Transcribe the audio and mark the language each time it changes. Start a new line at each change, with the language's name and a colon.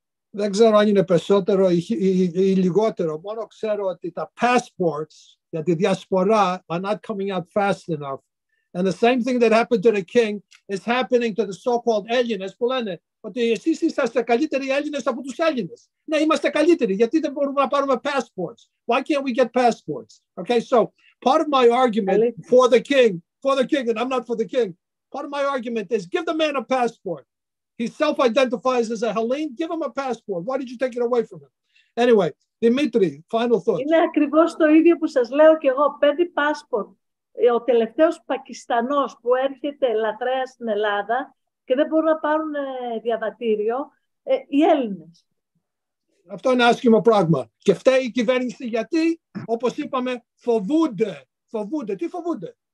Greek: Δεν ξέρω αν είναι περισσότερο ή λιγότερο. Μόνο ξέρω ότι τα passports για τη διασπορά
English: are not coming out fast enough. And the same thing that happened to the king is happening to the so-called
Greek: Έλληνες που λένε ότι εσείς είσαστε καλύτεροι Έλληνες από τους Έλληνες. Ναι, είμαστε καλύτεροι. Γιατί δεν μπορούμε να πάρουμε passports?
English: Why can't we get passports? Okay, so part of my argument for the king, and I'm not for the king, part of my argument is give the man a passport. He self-identifies as a Hellene. Give him a passport. Why did you take it away from him? Anyway, Dimitri, final thoughts.
Greek: Είναι ακριβώς το ίδιο που σας λέω και εγώ. Παίρνει passport. Ο τελευταίος Πακιστανός που έρχεται λατρέα στην Ελλάδα και δεν μπορούν να πάρουν διαβατήριο, οι Έλληνες. Αυτό είναι άσχημο πράγμα. Και φταίει η κυβέρνηση γιατί, όπως είπαμε, φοβούνται. Τι φοβούνται?